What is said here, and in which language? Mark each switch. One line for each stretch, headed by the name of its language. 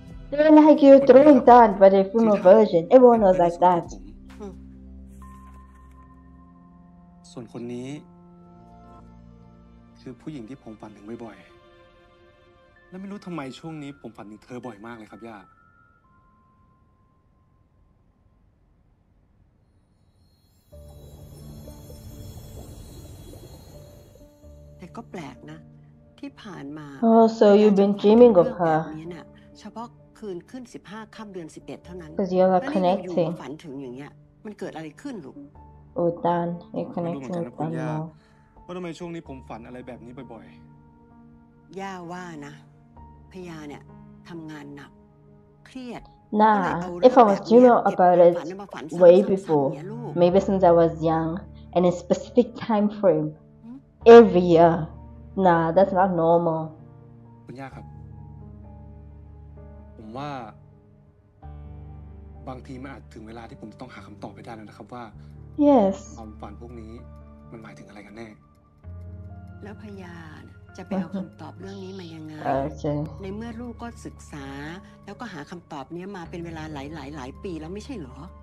English: They're like you throwing down but they're female version. Everyone was like that.
Thai: ส่วนคนนี้คือผู้หญิงที่ผมฝันถึงบ่อยแล้วไม่รู้ทำไมช่วงนี้ผมฝันถึงเธอบ่อยมากเลยครับย่า แต่ก็แปลกนะที่ผ่านมา
English: Oh so you've been dreaming of her
Thai: เฉพาะคืนขึ้น15ค่ำเดือน11เท่านั้น
English: Cuz you're like connecting
Thai: ฝันถึงอย่างเงี้ยมันเกิดอะไรขึ้นลูก
English: Oh Tharn you're connecting with
Thai: her เพราะทำไมช่วงนี้ผมฝันอะไรแบบนี้บ่อย ๆย่าว่านะพยาเนี่ยทำงานหนักเครียด
English: น่า if I was dreaming about it way before maybe since I was young in a specific time frame every year nah that's not normal
Thai: คุณย่าครับผมว่าบางทีมันอาจถึงเวลาที่ผมต้องหาคำตอบไปได้แล้วนะครับว่า
English: yes
Thai: ความฝันพวกนี้มันหมายถึงอะไรกันแน่ แล้วพยาเนี่ย จะไปเอาคำตอบเรื่องนี้มายังไงในเมื่อลูกก็ศึกษาแล้วก็หาคำตอบนี้มาเป็นเวลาหลายปีแล้วไม่ใช่หรอ